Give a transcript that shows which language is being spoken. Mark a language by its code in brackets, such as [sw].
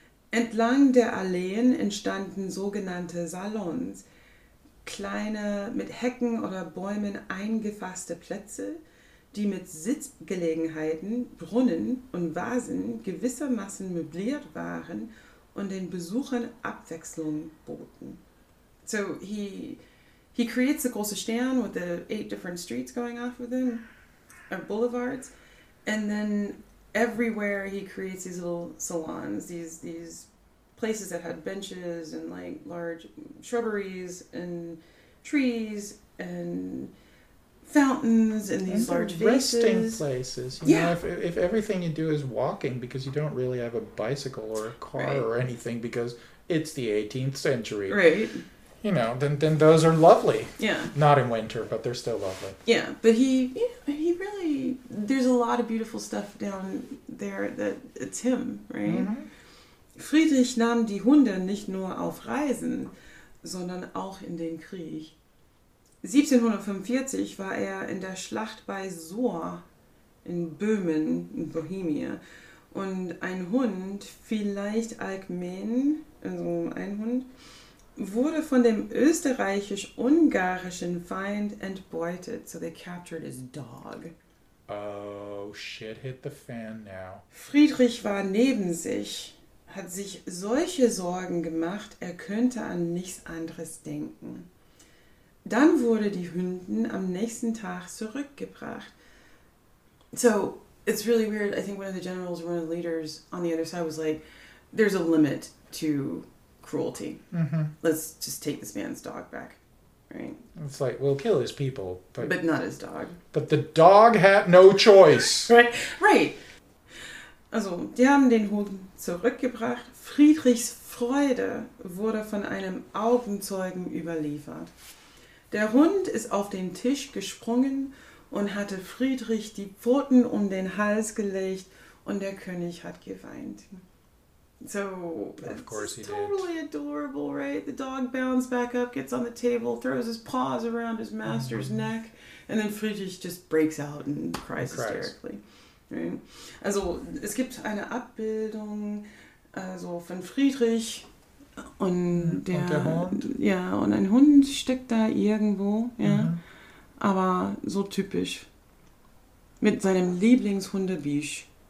[de] Entlang der Alleen entstanden sogenannte Salons. Kleine, mit Hecken oder Bäumen eingefasste Plätze, die mit Sitzgelegenheiten, Brunnen und Vasen gewissermaßen möbliert waren und den Besuchern Abwechslung boten. [en] So he creates a [de] große Stern [en] with the 8 different streets going off of them, or boulevards, and then everywhere he creates these little salons, these places that had benches and like large shrubberies and trees and fountains and these and large resting vases. Places. You know, if everything you do is walking because you don't really have a bicycle or a car or anything because it's the 18th century. Right. You know, then those are lovely. Yeah. Not in winter, but they're still lovely. Yeah, but he really, there's a lot of beautiful stuff down there that it's him, right? Mm-hmm. [de] Friedrich nahm die Hunde nicht nur auf Reisen, sondern auch in den Krieg. 1745 war er in der Schlacht bei Sohr in Böhmen, in Bohemien. Und ein Hund, vielleicht Alkmen, also ein Hund, wurde von dem österreichisch-ungarischen Feind entbeutet. [en] So they captured his dog. Oh, shit hit the fan now. [de] Friedrich war neben sich, hat sich solche Sorgen gemacht, er könnte an nichts anderes denken. Dann wurde die Hündin am nächsten Tag zurückgebracht. [en] So, it's really weird. I think one of the generals or one of the leaders on the other side was like, there's a limit to cruelty. Mm-hmm. Let's just take this man's dog back, right? It's like, we'll kill his people. But not his dog. But the dog had no choice. Right, right. [de] Also, die haben den Hoden zurückgebracht. Friedrichs Freude wurde von einem Augenzeugen überliefert. Der Hund ist auf den Tisch gesprungen und hatte Friedrich die Pfoten um den Hals gelegt und der König hat geweint. [en] So, of course he totally did. Adorable, right? The dog bounds back up, gets on the table, throws his paws around his master's mm-hmm. neck, and then Friedrich just breaks out and cries hysterically. Right? [de] Also, es gibt eine Abbildung also von Friedrich und der Hund. Ja, und ein Hund steckt da irgendwo, ja. Mhm. Aber so typisch. Mit seinem Lieblingshunde Bisch.